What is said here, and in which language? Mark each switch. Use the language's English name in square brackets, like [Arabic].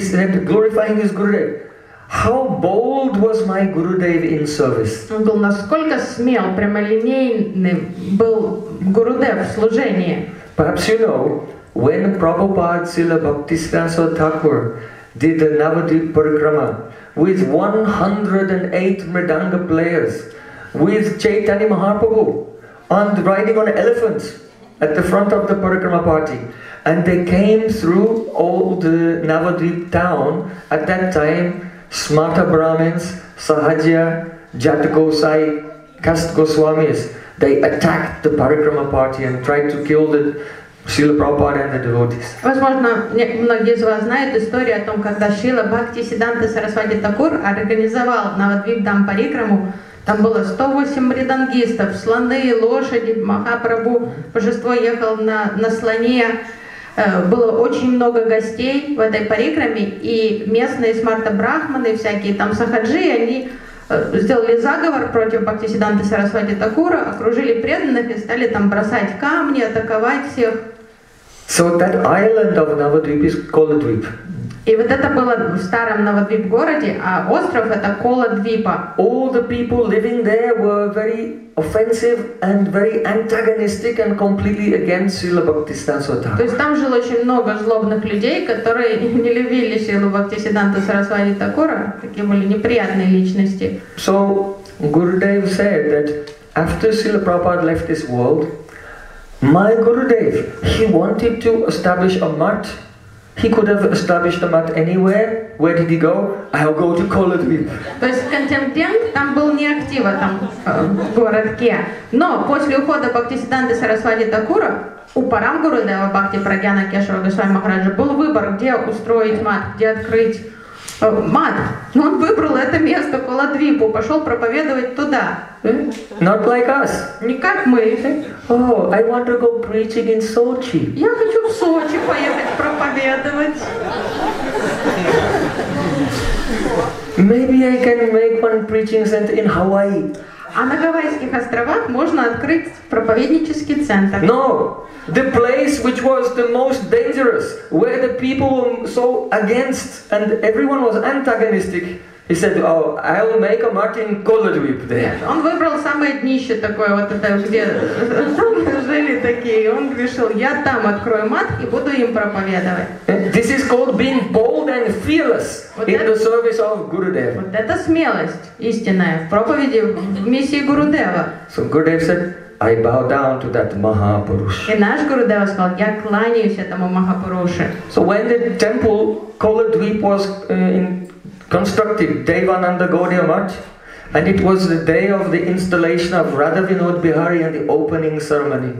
[English] He said, glorifying his Gurudev, how bold was my Gurudev in service. [Russian] Он был насколько смел, прямолинейный был Гурудев в служении. [English] Perhaps you know, when Prabhupada Srila Bhaktisiddhanta Thakur did the Navadvip Parikrama with 108 Mridanga players, with Chaitanya Mahaprabhu on riding on elephants at the front of the Parikrama party, and they came through all the Navadvip town, at that time Smarta Brahmins, Sahaja, Jata Gosai, Kast Goswamis, they attacked the Parikrama party and tried to kill the Srila Prabhupada and the devotees. [Russian] Возможно, многие из вас знают историю о том, когда Шрила Бхактисиддханта Сарасвати Такур организовал Навадвип Дам Парикраму. Там было 108 мридангистов, слоны, лошади, Махапрабху, божество ехал на слоне. Было очень много гостей в этой парикраме, и местные смарта-брахманы всякие, там сахаджи, они сделали заговор против Бхактисиддханты Сарасвати Такура, окружили преданных и стали там бросать камни, атаковать всех. [English] So that island of Navadvip is Koladvip. [Russian] И вот это было в старом Навадвип городе, а остров это Коладвипа. [English] All the people living there were very offensive and very antagonistic and completely against Srila Bhaktisiddhanta Thakur. [Russian] То есть там жило очень много злобных людей, которые не любили Шрилу Бхактисиддханта Сарасвати Такура, такие были неприятные личности. [English] So Gurudev said that after Srila Prabhupada left this world, my Gurudev, he wanted to establish a mat. He could have established a mat anywhere. Where did he go? I'll go to Koladvip. [Russian] То есть контингент там был неактив, там в городке. Но после ухода Бхактисиддханты Сарасвати Такура у Парам Гурудева Бхакти Прагьяна Кешава Госвами Махараджа был выбор, где устроить мат, где открыть мат. Но он выбрал это место, Коладвипу, пошел проповедовать туда. [English] Not like us. [Russian] Не как мы. [English] Oh, I want to go preaching in Sochi. [Russian] Я хочу в Сочи поехать проповедовать. [English] Maybe I can make one preaching center in Hawaii. [Russian] А на Гавайских островах можно открыть проповеднический центр. [English] No, the place which was the most dangerous, where the people were so against and everyone was antagonistic. He said, "Oh, I'll make a Martin Koladvip there." [Russian] Он выбрал самое днище такое, вот это где жили такие. Он решил, я там открою мат и буду им проповедовать. [English] This is called being bold and fearless in the service of Gurudev. [Russian] Вот это смелость истинная в проповеди, в миссии Гурудева. [English] So Gurudev said, "I bow down to that Mahapurush." [Russian] И наш Гурудева сказал, я кланяюсь этому Махапуруше. [English] So when the temple Koladvip was in constructed Devananda Gaudiya Math, And it was the day of the installation of Radha Vinod Bihari and the opening ceremony.